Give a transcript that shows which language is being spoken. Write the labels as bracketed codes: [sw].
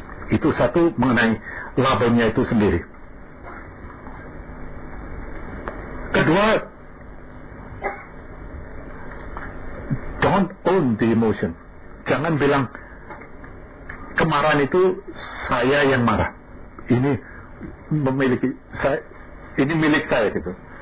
[id] Itu satu mengenai labelnya itu sendiri. [en] Kedua, don't own the emotion. [id] Jangan bilang kemarahan itu saya yang marah. Ini memiliki saya, ini milik saya gitu.